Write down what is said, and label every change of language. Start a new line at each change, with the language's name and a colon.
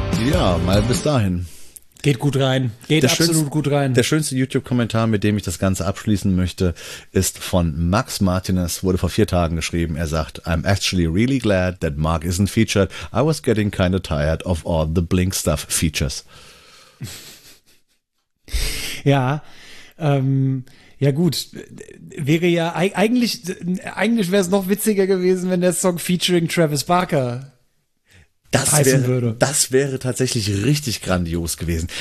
German: Ja, mal bis dahin. Geht gut rein, geht der absolut schönste, gut rein. Der schönste YouTube-Kommentar, mit dem ich das Ganze abschließen möchte, ist von Max Martinez, wurde vor 4 Tagen geschrieben. Er sagt,
English: I'm actually really glad that Mark isn't featured. I was getting kind of tired of all the Blink Stuff features.
German: Ja, ja gut, wäre ja, eigentlich wäre es noch witziger gewesen, wenn der Song featuring Travis Barker Das wäre tatsächlich richtig grandios gewesen.